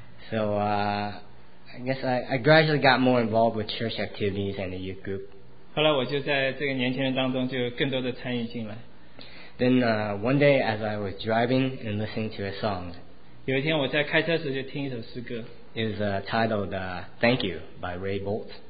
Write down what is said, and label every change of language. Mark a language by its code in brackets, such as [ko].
[en] So, I guess I gradually got more involved with church activities and the youth group. [zh] 后来我就在这个年轻人当中就更多的参与进来。 [en] Then one day as I was driving and listening to a song, [zh] 有一天我在开车时就听一首诗歌。 [en] It was titled "Thank You" by Ray Bolt.